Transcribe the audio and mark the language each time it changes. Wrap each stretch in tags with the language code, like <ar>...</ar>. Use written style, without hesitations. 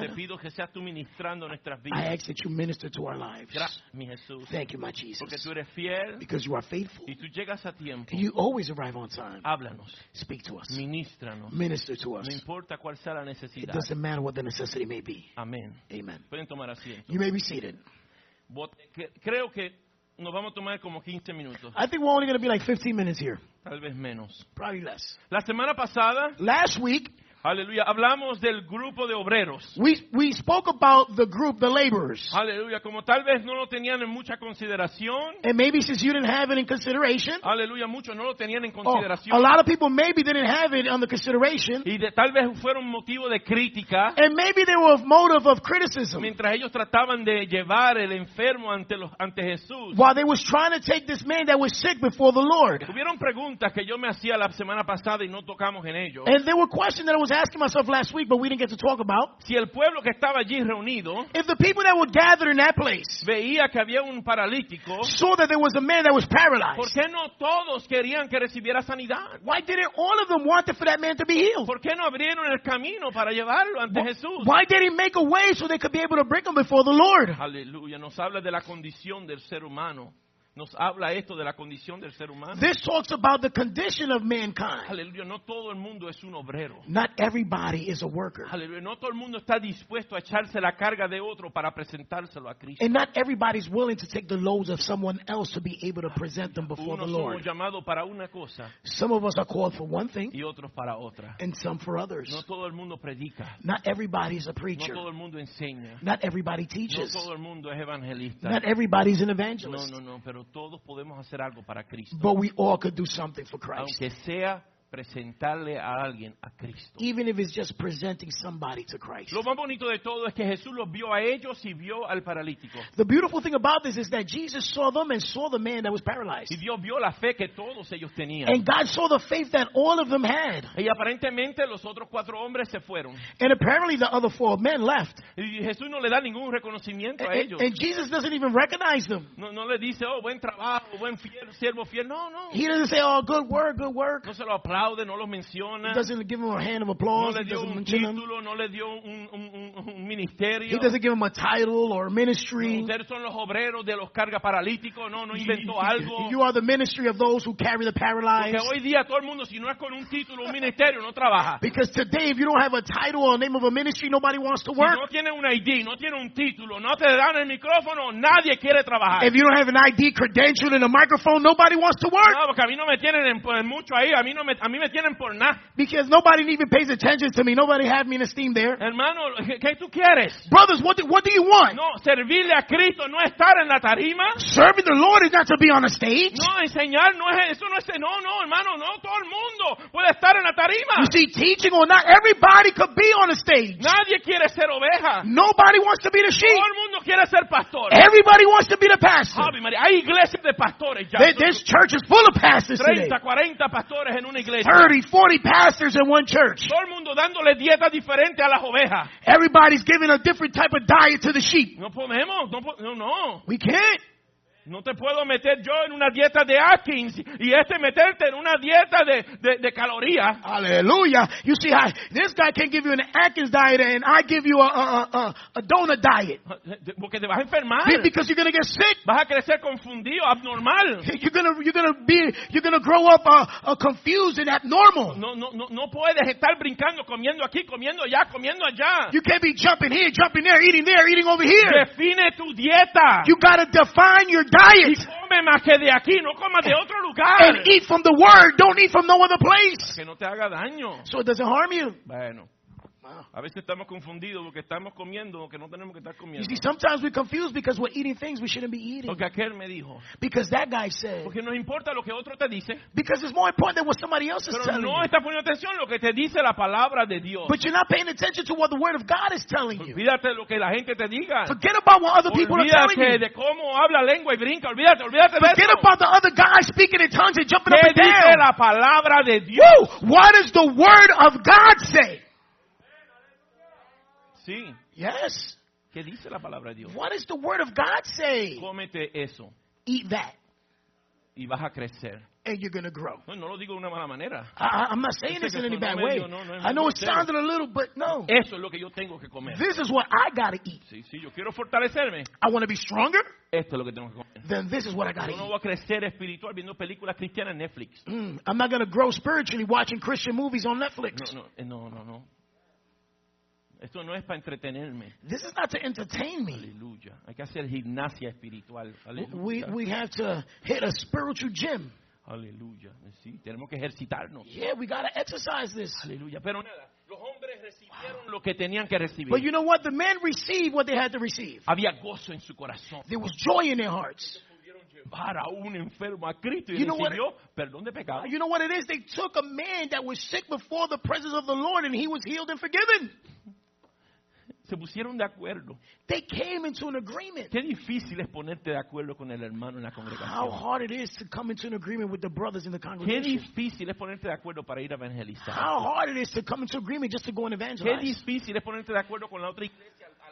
<es>Te pido que seas tú ministrando nuestras vidas.</es> <en>I ask that you minister to our lives.</en> <es>Gracias, mi Jesús.</es> <en>Thank you, my Jesus.</en> <es>Porque tú eres fiel.</es> <en>Because you are faithful.</en> <es>Y tú llegas a tiempo.</es> <en>You always arrive on time.</en> <es>Háblanos.</es> <en>Speak to us.</en> <es>Ministranos.</es> <en>Minister to us.</en> <es>No importa cuál sea la necesidad.</es> <en>It doesn't matter what the necessity may be.</en> <es>Amen.</es> <en>Amen.</en> <es>Pueden tomar asiento.</es> <en>You may be seated.</en> <es>Creo que nos vamos a tomar como 15 minutos.</es> <en>I think we're only going to be like 15 minutes here.</en> <es>Tal vez menos.</es> <en>Probably less.</en> <es>La semana pasada,</es> <en>last week,</en> <es>aleluya, hablamos del grupo de obreros.</es> <en>We spoke about the group, the laborers.</en> <es>Aleluya, como tal vez no lo tenían en mucha consideración.</es> <en>And maybe since you didn't have it in consideration.</en> <es>Aleluya, muchos no lo tenían en consideración.</es> <en>Oh, a lot of people maybe didn't have it on the consideration.</en> <es>Y de, tal vez fueron motivo de crítica.</es> <en>And maybe they were motive of criticism.</en> <es>Mientras ellos trataban de llevar el enfermo ante Jesús.</es> <en>While they was trying to take this man that was sick before the Lord.</en> <es>Hubieron preguntas que yo me hacía la semana pasada y no tocamos en ellos.</es> <en>And there were questions that I was asking myself last week, but we didn't get to talk about.</en> <es>Si el pueblo que estaba allí reunido,</es> <en>if the people that were gathered in that place</en> <es>veía que había un paralítico,</es> <en>saw that there was a man that was paralyzed,</en> <es>¿por qué no todos querían que recibiera sanidad?</es> <en>Why didn't all of them want for that man to be healed?</en> <es>¿Por qué no abrieron el camino para llevarlo ante Jesús?</es> <en>Why didn't he make a way so they could be able to bring him before the Lord?</en> <es>Aleluya, nos habla de la condición del ser humano. Nos habla esto de la condición del ser humano.</es> <en>This talks about the condition of mankind.</en> <es>Aleluya, no todo el mundo es un obrero.</es> <en>Not everybody is a worker.</en> <es>Aleluya, no todo el mundo está dispuesto a echarse la carga de otro para presentárselo a Cristo.</es> <en>And not everybody is willing to take the loads of someone else to be able to present them before the Lord.</en> <es>Unos somos llamados para una cosa.</es> <en>Some of us are called for one thing.</en> <es>Y otros para otra.</es> <en>And some for others.</en> <es>No todo el mundo predica.</es> <en>Not everybody is a preacher.</en> <es>No todo el mundo enseña.</es> <en>Not everybody teaches.</en> <es>No todo el mundo es evangelista.</es> <en>Not everybody is an evangelist.</en> <es>No, pero todos podemos hacer algo para Cristo.</es> <en>But we all could do something for Christ.</en> <es>Aunque sea presentarle a alguien a Cristo.</es> <en>Even if it's just presenting somebody to Christ.</en> <es>Lo más bonito de todo es que Jesús los vio a ellos y vio al paralítico.</es> <en>The beautiful thing about this is that Jesus saw them and saw the man that was paralyzed.</en> <es>Y Dios vio la fe que todos ellos tenían.</es> <en>And God saw the faith that all of them had.</en> <es>Y aparentemente los otros cuatro hombres se fueron.</es> <en>And apparently the other four men left.</en> <es>Y Jesús no le da ningún reconocimiento a ellos.</es> <en>And Jesus doesn't even recognize them.</en> <es>No le dice, oh, buen trabajo, buen fiel, siervo fiel.</es> <en>No. He doesn't say, oh, good work, good work.</en> <es>No se lo aplaude. No los menciona.</es> <en>He doesn't give him a hand of applause.</en> <es>No le dio un título, no le dio un ministerio.</es> <en>He doesn't give him a title or a ministry.</en> <es>Ustedes son los obreros de los carga paralíticos. No inventó algo.</es> <en>You are the ministry of those who carry the paralyzed.</en> <es>Porque hoy día todo el mundo, si no es con un título, un ministerio, no trabaja.</es> <en>Because today, if you don't have a title or a name of a ministry, nobody wants to work.</en> <es>Si no tiene un ID, no tiene un título, no te dan el micrófono, nadie quiere trabajar.</es> <en>If you don't have an ID credential and a microphone, nobody wants to work.</en> <es>No, porque a mí no me tienen mucho ahí. A mí me tienen por nada.</es> <en>Because nobody even pays attention to me. Nobody had me in esteem there.</en> <es>Hermano, ¿qué tú quieres?</es> <en>Brothers, what do you want?</en> <es>No, servirle a Cristo no es estar en la tarima.</es> <en>Serving the Lord is not to be on a stage.</en> <es>No, enseñar no es eso, no es no, hermano, no todo el mundo puede estar en la tarima.</es> <en>You see, teaching or not, everybody could be on a stage.</en> <es>Nadie quiere ser oveja.</es> <en>Nobody wants to be the sheep.</en> <es>Todo el mundo quiere ser pastor.</es> <en>Everybody wants to be the pastor.</en> <es>Ave María, hay iglesias de pastores ya.</es> <en>This church is full of pastors today.</en> <es>30, 40 pastores en una iglesia.</es> <en>30, 40 pastors in one church.</en> <es>Todo el mundo dándole dieta diferente a las ovejas.</es> <en>Everybody's giving a different type of diet to the sheep.</en> <es>No podemos, no.</es> <en>We can't.</en> <es>No te puedo meter yo en una dieta de Atkins y este meterte en una dieta de calorías. Aleluya.</es> <en>You see, this guy can give you an Atkins diet and I give you a donut diet.</en> <es>Porque te vas a enfermar.</es> <en>Because you're going to get sick.</en> <es>Vas a crecer confundido, abnormal.</es> <en>You're going to grow up confused and abnormal.</en> <es>No puedes estar brincando, comiendo aquí, comiendo allá, comiendo allá.</es> <en>You can't be jumping here, jumping there, eating over here.</en> <es>Define tu dieta.</es> <en>You got to define your diet. diet.</en> <es>Come más que de aquí, no coma de otro lugar.</es> <en>And eat from the word, don't eat from no other place.</en> <es>Que no te haga daño.</es> <en>So it doesn't harm you.</en> <es>Bueno. A veces estamos confundidos porque estamos comiendo lo que no tenemos que estar comiendo.</es> <en>You see, sometimes we're confused because we're eating things we shouldn't be eating.</en> <es>Porque aquel me dijo.</es> <en>Because that guy said.</en> <es>Porque nos importa lo que otro te dice.</es> <en>Because it's more important than what somebody else is telling</en> <es>no Pero no estás poniendo atención lo que te dice la palabra de Dios.</es> <en>But you're not paying attention to what the word of God is telling you.</en> <es>Olvídate lo que la gente te diga.</es> <en>Forget about what other people</en> <es>olvídate</es> <en>are telling you.</en> <es>De cómo habla lengua y brinca. Olvídate, olvídate</es> <en>forget</en> <es>de eso.</es> <en>Forget about the other guy speaking in tongues and jumping up and down.</en> <es>¿Qué dice la palabra de Dios?</es> <en>Woo! What does the word of God say?</en> <es>Sí.</es> <en>Yes.</en> <es>¿Qué dice la palabra de Dios?</es> <en>What does the word of God say?</en> <es>Cómete eso.</es> <en>Eat that.</en> <es>Y vas a crecer.</es> <en>And you're going to grow.</en> <es>No, no lo digo de una mala manera.</es> <en>I'm not saying this in any bad way.</en> <es>No,</es> <en>I know it sounded a little, but no.</en> <es>Eso es lo que yo tengo que comer.</es> <en>This is what I got to eat.</en> <es>Sí, sí, yo quiero fortalecerme.</es> <en>I want to be stronger.</en> <es>Esto es lo que tengo que comer.</es> <en>Then this is what I got to eat.</en> <es>Yo no voy a crecer espiritual viendo películas cristianas en Netflix.</es> <en>I'm not going to grow spiritually watching Christian movies on Netflix.</en> <es>No. Esto no es para entretenerme.</es> <en>This is not to entertain me.</en> <es>Aleluya. Hay que hacer gimnasia espiritual.</es> <en>We have to hit a spiritual gym.</en> <es>Aleluya. Sí, tenemos que ejercitarnos.</es> <en>Yeah, we gotta exercise this.</en> <es>Aleluya. Pero nada. Los hombres recibieron lo que tenían que recibir.</es> <en>But you know what? The men received what they had to receive.</en> <es>Había gozo en su corazón.</es> <en>There was joy in their hearts.</en> <es>Para un enfermo a Cristo y recibió perdón de pecado.</es> <en>You know what it is? They took a man that was sick before the presence of the Lord and he was healed and forgiven.</en> <es>Se pusieron de acuerdo.</es> <en>They came into an agreement.</en> <es>Qué difícil es ponerte de acuerdo con el hermano en la congregación.</es> <en>How hard it is to come into an agreement with the brothers in the congregation.</en> <es>Qué difícil es ponerte de acuerdo para ir a evangelizar.</es> <en>How hard it is to come into agreement just to go and evangelize.</en> <es>Qué difícil es ponerte de acuerdo con la otra iglesia.</es>